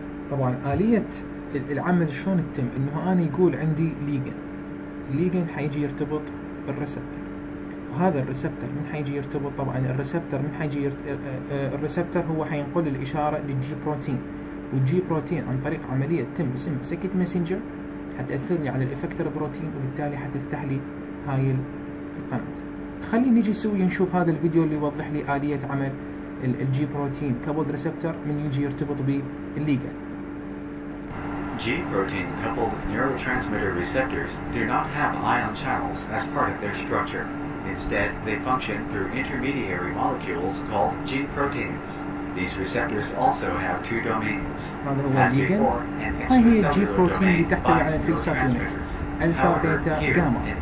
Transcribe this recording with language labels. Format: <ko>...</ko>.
<ar>طبعا آلية العمل شلون تتم؟ انه انا يقول عندي ليجن، الليجن حيجي يرتبط بالريسبتر، وهذا الريسبتر من حيجي يرتبط؟ طبعا الريسبتر من حيجي الريسبتر هو حينقل الإشارة للجي بروتين، والجي بروتين عن طريق عملية تتم اسمها سكت ميسنجر حتأثرني على الإفكتر بروتين، وبالتالي حتفتح لي هاي القناة. خلي نجي سوي نشوف هذا الفيديو اللي يوضح لي آلية عمل الجي بروتين كابلد ريسبتر من يجي يرتبط بالليجن.</ar> <en>G protein coupled neurotransmitter receptors do not have ion channels as part of their structure. Instead, they function through intermediary molecules called G proteins. These receptors also have two domains.</en> <ar>هذا هو الليجن. هاي هي الجي بروتين اللي تحتوي على 3 سب يونت الفا بيتا جاما.</ar>